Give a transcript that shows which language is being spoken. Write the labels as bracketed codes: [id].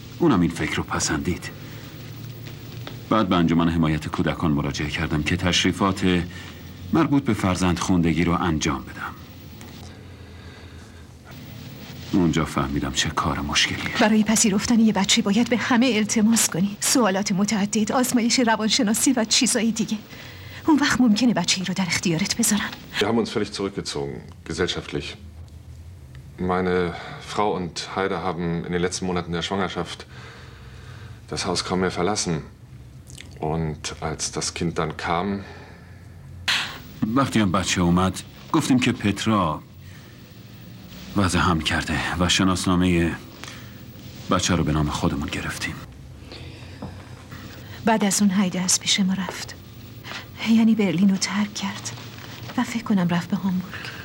[fa] اونم این فکر رو پسندید. بعد به انجمن حمایت کودکان مراجعه کردم که تشریفات مربوط به فرزند خوندگی رو انجام بدم. اونجا فهمیدم چه کار مشکلیه. برای پذیرفتن یه بچه باید به همه التماس کنی. سوالات متعدد، آزمایش روانشناسی و چیزای دیگه. اون وقت ممکنه بچه ای رو در اختیارت بذارن. [de] Wir haben uns völlig zurückgezogen, gesellschaftlich. Meine Frau und Heide haben in den letzten Monaten der Schwangerschaft das Haus kaum mehr verlassen. Und als das Kind dann kam... [fa] وقتی هم بچه اومد، گفتیم که پترا وضع هم کرده و شناسنامه بچه رو به نام خودمون گرفتیم. بعد از اون هایده از پیش ما رفت، یعنی برلین رو ترک کرد و فکر کنم رفت به هامبورگ.